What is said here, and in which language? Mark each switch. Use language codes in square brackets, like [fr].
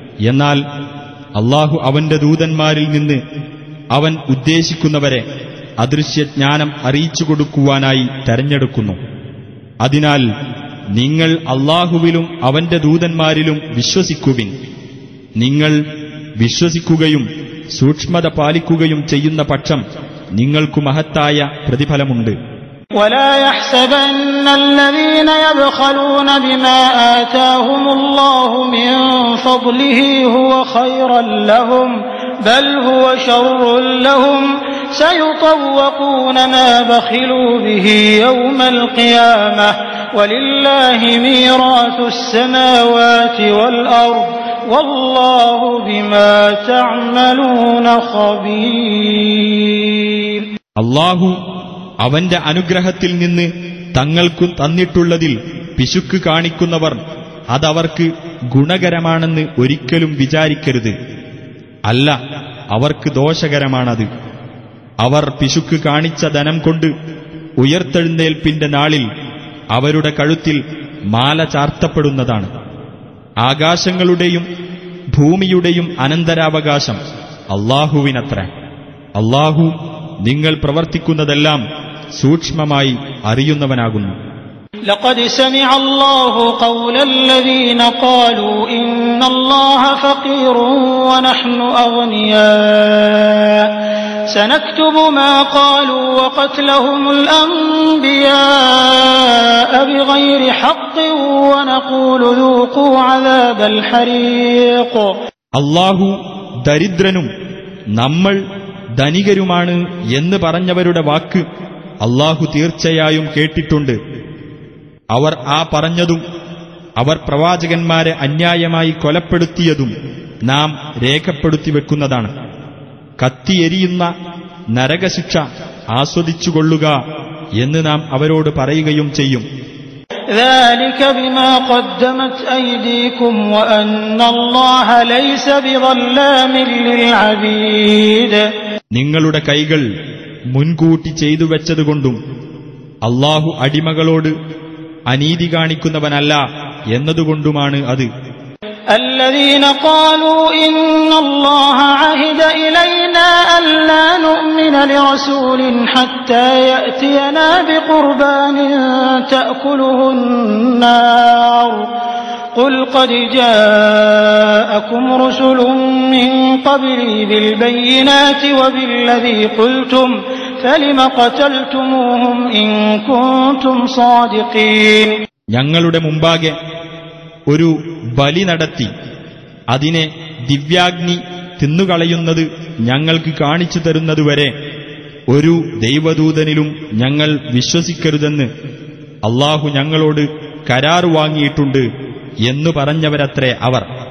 [ml] എന്നാൽ അല്ലാഹു അവന്റെ ദൂതന്മാരിൽ നിന്ന് അവൻ ഉദ്ദേശിക്കുന്നവരെ അദൃശ്യജ്ഞാനം അറിയിച്ചുകൊടുക്കുവാനായി തെരഞ്ഞെടുക്കുന്നു. അതിനാൽ നിങ്ങൾ അല്ലാഹുവിലും അവന്റെ ദൂതന്മാരിലും വിശ്വസിക്കുവിൻ. നിങ്ങൾ വിശ്വസിക്കുകയും സൂക്ഷ്മത പാലിക്കുകയും ചെയ്യുന്ന പക്ഷം നിങ്ങൾക്കു മഹത്തായ പ്രതിഫലമുണ്ട്. [ar] ولا يحسبن الذين يبخلون بما آتاهم الله من فضله هو خيرا لهم بل هو شر لهم سيطوقون ما بخلوا به يوم القيامة ولله ميراث السماوات والأرض والله بما تعملون خبير. [ml] الله അവന്റെ അനുഗ്രഹത്തിൽ നിന്ന് തങ്ങൾക്കു തന്നിട്ടുള്ളതിൽ പിശുക്ക് കാണിക്കുന്നവർ അതവർക്ക് ഗുണകരമാണെന്ന് ഒരിക്കലും വിചാരിക്കരുത്. അല്ല, അവർക്ക് ദോഷകരമാണത്. അവർ പിശുക്ക് കാണിച്ച ധനം കൊണ്ട് ഉയർത്തെഴുന്നേൽപ്പിന്റെ നാളിൽ അവരുടെ കഴുത്തിൽ മാല ചാർത്തപ്പെടുന്നതാണ്. ആകാശങ്ങളുടെയും ഭൂമിയുടെയും അനന്തരാവകാശം അള്ളാഹുവിനത്ര. അള്ളാഹു നിങ്ങൾ പ്രവർത്തിക്കുന്നതെല്ലാം സൂക്ഷ്മമായി അറിയുന്നവനാകുന്നു. [ar] لقد سمع الله قول الذين قالوا إن الله فقير ونحن أغنياء سنكتب ما قالوا وقتلهم الأنبياء بغير حق ونقول ذوقوا عذاب الحريق. [ml] الله ദരിദ്രനും നമ്മൾ ധനികരുമാണ് എന്ന് പറഞ്ഞവരുടെ വാക്ക് അല്ലാഹു തീർച്ചയായും കേട്ടിട്ടുണ്ട്. അവർ ആ പറഞ്ഞതും അവർ പ്രവാചകന്മാരെ അന്യായമായി കൊലപ്പെടുത്തിയതും നാം രേഖപ്പെടുത്തി വെക്കുന്നതാണ്. കത്തിയെരിയുന്ന നരകശിക്ഷ ആസ്വദിച്ചുകൊള്ളുക എന്ന് നാം അവരോട് പറയുകയും ചെയ്യും. [ar] ذلك بما قدمت أيديكم وأن الله ليس بظلام للعبيد. [ml] നിങ്ങളുടെ കൈകൾ മുൻകൂട്ടി ചെയ്തു വെച്ചതുകൊണ്ടും അല്ലാഹു അടിമകളോട് അനീതി കാണിക്കുന്നവനല്ല എന്നതുകൊണ്ടുമാണ് അത്. [ar] الذين قالوا إن الله عهد إلينا ألا نؤمن لرسول حتى يأتينا بقربان تأكله النار قل قد جاءكم رسل من قبلي بالبينات وبالذي قلتم فلم قتلتموهم إن كنتم صادقين. [ml] ഞങ്ങളുടെ മുമ്പാകെ ഒരു ബലി നടത്തി അതിനെ ദിവ്യാഗ്നി തിന്നുകളയുന്നത് ഞങ്ങൾക്ക് കാണിച്ചു തരുന്നതുവരെ ഒരു ദൈവദൂതനിലും ഞങ്ങൾ വിശ്വസിക്കരുതെന്ന് അല്ലാഹു ഞങ്ങളോട് കരാറു വാങ്ങിയിട്ടുണ്ട് എന്നു പറഞ്ഞവരത്രേ അവർ.